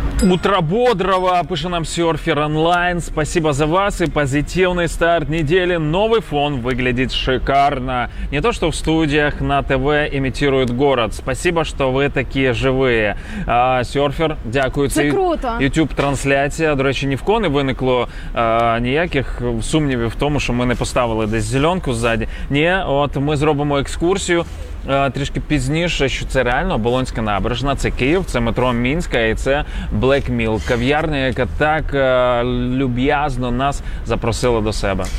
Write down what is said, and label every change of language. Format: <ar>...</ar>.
<ru>утро бодрого,</ru> <uk>пише нам</uk> <ru>Surfer Online. Спасибо за вас и позитивный старт недели. Новый фон выглядит шикарно. Не то, что в студиях на ТВ имитируют город. Спасибо, что вы такие живые.</ru> <uk>Surfer, дякую. Це круто. YouTube-трансляція. До речі, ні в кого не виникло ніяких сумнівів в тому, що ми не поставили десь зеленку ззаді. Ні, от ми зробимо екскурсію. Трішки пізніше, що це реально Оболонська набережна, це Київ, це метро Мінська і це Black Mill, кав'ярня, яка так люб'язно нас запросила до себе.</uk>